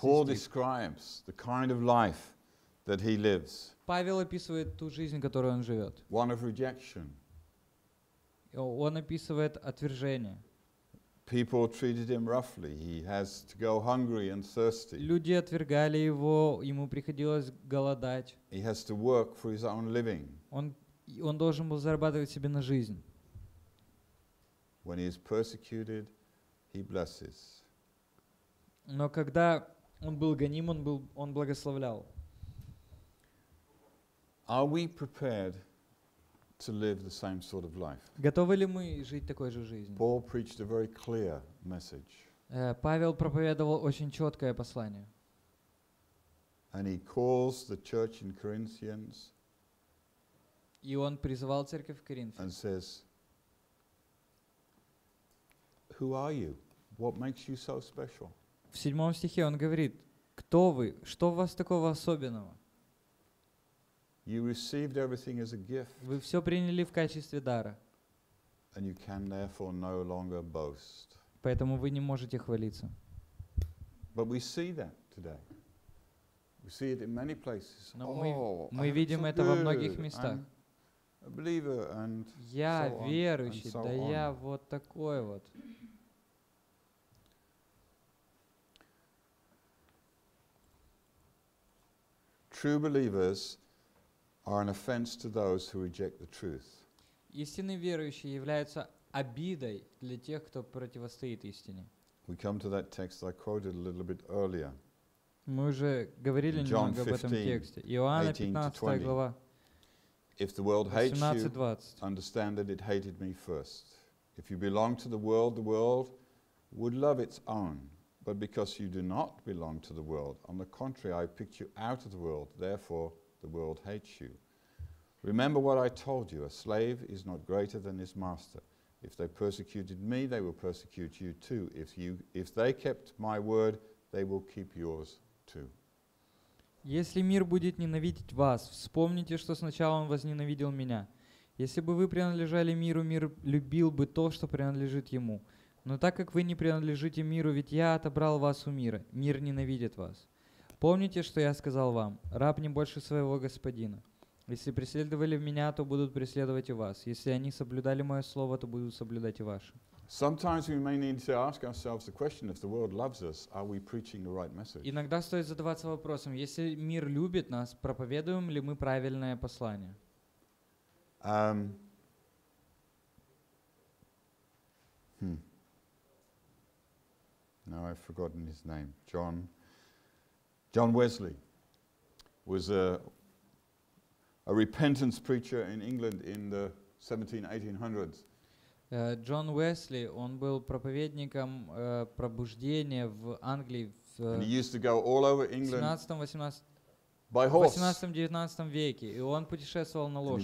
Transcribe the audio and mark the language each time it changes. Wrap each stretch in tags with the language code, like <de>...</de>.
<en>Paul describes the kind of life that he lives.</en> <ru>Павел описывает ту жизнь, которую он живет.</ru> <en>One of rejection.</en> <ru>Он описывает отвержение.</ru> <en>People treated him roughly. He has to go hungry and thirsty.</en> <ru>Люди отвергали его, ему приходилось голодать.</ru> <en>He has to work for his own living.</en> <ru>Он должен был зарабатывать себе на жизнь.</ru> <en>When he is persecuted, he blesses.</en> <ru>Но когда он был гоним, он благословлял.</ru> <en>Are we prepared to live the same sort of life?</en> <ru>Готовы ли мы жить такой же жизнью?</ru> <en>Paul preached a very clear message.</en> <ru>Павел проповедовал очень четкое послание.</ru> <en>And he calls the church in Corinthians</en> <ru>И он призывал церковь в Коринфе.</ru> <en>And says, who are you? What makes you so special?</en> <ru>В 7 стихе он говорит: кто вы? Что у вас такого особенного?</ru> <en>You received everything as a gift.</en> <ru>Вы все приняли в качестве дара.</ru> <en>And you can therefore no longer boast.</en> <ru>Поэтому вы не можете хвалиться.</ru> <en>But we see that today. We see it in many places.</en> <ru>Но мы видим это во многих местах.</ru> <en>A believer and</en> <ru>я верующий, да я вот такой вот.</ru> <en>True believers are an offense to those who reject the truth.</en> <ru>Истинные верующие являются обидой для тех, кто противостоит истине.</ru> <en>We come to that text I quoted a little bit earlier.</en> <ru>Мы уже говорили немного об этом тексте. Иоанна 15 глава.</ru> <en>If the world hates you, understand that it hated me first. If you belong to the world would love its own. But because you do not belong to the world, on the contrary, I picked you out of the world. Therefore, the world hates you. Remember what I told you. A slave is not greater than his master. If they persecuted me, they will persecute you too. If they kept my word, they will keep yours too.</en> <ru>Если мир будет ненавидеть вас, вспомните, что сначала он возненавидел меня. Если бы вы принадлежали миру, мир любил бы то, что принадлежит ему. Но так как вы не принадлежите миру, ведь я отобрал вас у мира, мир ненавидит вас. Помните, что я сказал вам, раб не больше своего господина. Если преследовали меня, то будут преследовать и вас. Если они соблюдали мое слово, то будут соблюдать и ваше.</ru> <en>Sometimes we may need to ask ourselves the question: if the world loves us, are we preaching the right message?</en> <ru>Иногда стоит задаваться вопросом: если мир любит нас, проповедуем ли мы правильное послание?</ru> <en>Now I've forgotten his name. John Wesley was a repentance preacher in England in the 1700s-1800s.</en> <ru>Джон Уэсли, он был проповедником пробуждения в Англии в 17-18 веке, и он путешествовал на лошади.</ru>